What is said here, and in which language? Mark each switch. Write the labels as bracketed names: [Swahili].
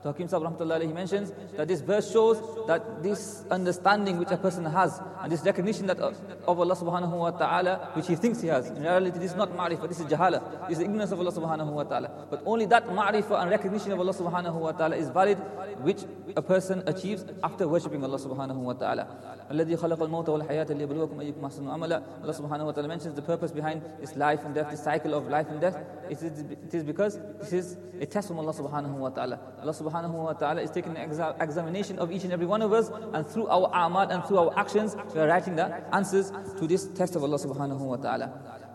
[English] So Hakim Sahib rahmatullahi alayhi mentions that this verse shows that this understanding which a person has and this recognition that of Allah subhanahu wa ta'ala, which he thinks he has, in reality this is not ma'rifa, this is jahala. This is ignorance of Allah subhanahu wa ta'ala. But only that ma'rifa and recognition of Allah subhanahu wa ta'ala is valid, which a person achieves after worshipping Allah subhanahu wa ta'ala. [Arabic] الذي خلق الموت والحياة ليبلوكم أيكم أحسن عملا. [English] Allah subhanahu wa ta'ala mentions the purpose behind this life and death, this cycle of life and death. It is because this is a test from Allah subhanahu wa ta'ala. Allah subhanahu wa ta'ala is taking an examination of each and every one of us, and through our a'mal and through our actions, we are writing the answers to this test of Allah subhanahu wa ta'ala.